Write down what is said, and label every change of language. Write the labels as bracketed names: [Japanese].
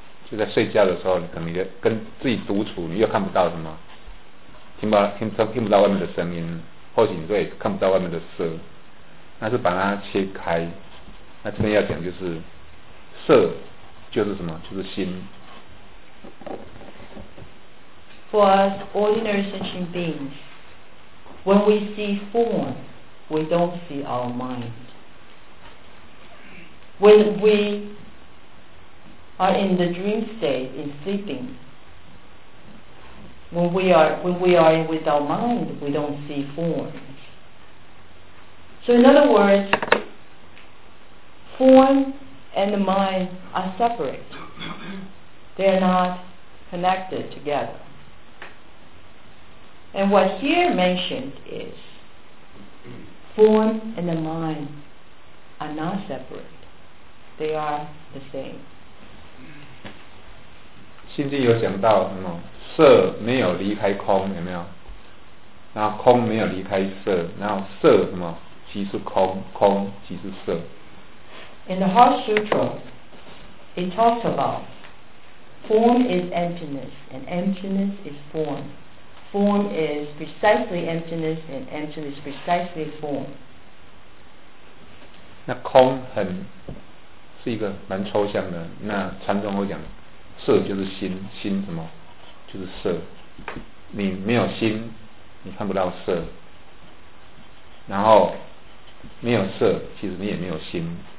[Chinese] 就在睡觉的时候，你可能就跟自己独处，你又看不到什么，听不到外面的声音，或许你会看不到外面的色，那是把它切开。那这边要讲就是色就是什么，就是心。 [English] For us ordinary sentient beings, when we see form, we don't see our mind. When we are in the dream state, in sleeping, when we are with our mind, we don't see form. So in other words, form and the mind are separate. They are not connected together. And what here mentioned is form and the mind are not separate. They are the same. [Chinese] 心经有讲到什么？色没有离开空，有没有？然后空没有离开色，然后色什么？即是空，空即是色。 [English] In the Heart Sutra, it talks about form is emptiness and emptiness is form. Form is precisely emptiness, and emptiness is precisely form. [Chinese] 那空很是一个蛮抽象的。那禅宗会讲，色就是心，心什么？就是色。你没有心，你看不到色。然后没有色，其实你也没有心。